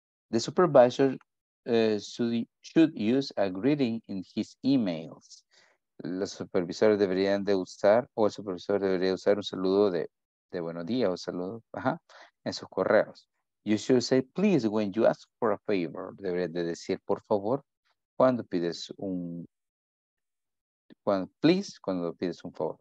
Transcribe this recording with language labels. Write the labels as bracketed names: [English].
[English] The supervisor should use a greeting in his emails. [Spanish] Los supervisores deberían de usar, o el supervisor debería usar un saludo de buenos días o saludo, ajá, en sus correos. [English] You should say please when you ask for a favor. [Spanish] Debería de decir por favor cuando pides un favor.